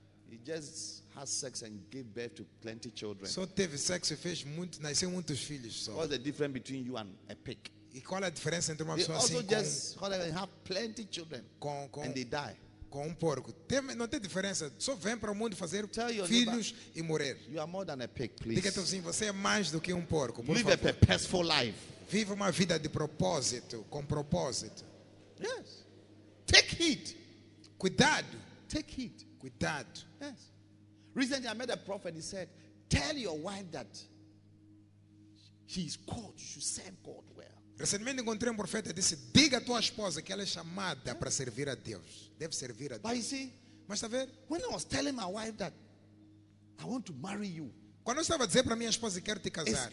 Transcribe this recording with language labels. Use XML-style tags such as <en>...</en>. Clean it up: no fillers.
<en>He just had sex and gave birth to plenty children.</en> <pt>Só teve sexo e fez muito, nasceu muitos filhos só.</pt> <en>What's the difference between you and a pig?</en> <pt>E qual é a diferença entre uma pessoa assim com...</pt> <en>Just call and have plenty children</en> <pt>com,</pt> <en>and they die.</en> <pt>Com um porco. Tem, não tem diferença. Só vem para o mundo fazer filhos e morrer.</pt> <en>You are more than a pig, please.</en> <pt>Diga-te assim, você é mais do que um porco, por</pt> <en>Live</en> <pt>favor.</pt> <en>A purposeful life.</en> <pt>Viva uma vida de propósito, com propósito.</pt> <en>Yes. Take heed.</en> <pt>Cuidado.</pt> <en>Take heed.</en> <pt>Cuidado.</pt> <en>Yes. Recently I met a prophet, he said, tell your wife that she is called, you should serve God well.</en> <pt>Recentemente encontrei um profeta e disse, diga à tua esposa que ela é chamada para servir a Deus. Deve servir a Deus.</pt> <en>But you see,</en> <pt>mas está a ver?</pt> <en>When I was telling my wife that I want to marry you,</en> <pt>quando eu estava a dizer para minha esposa que quero te casar,</pt>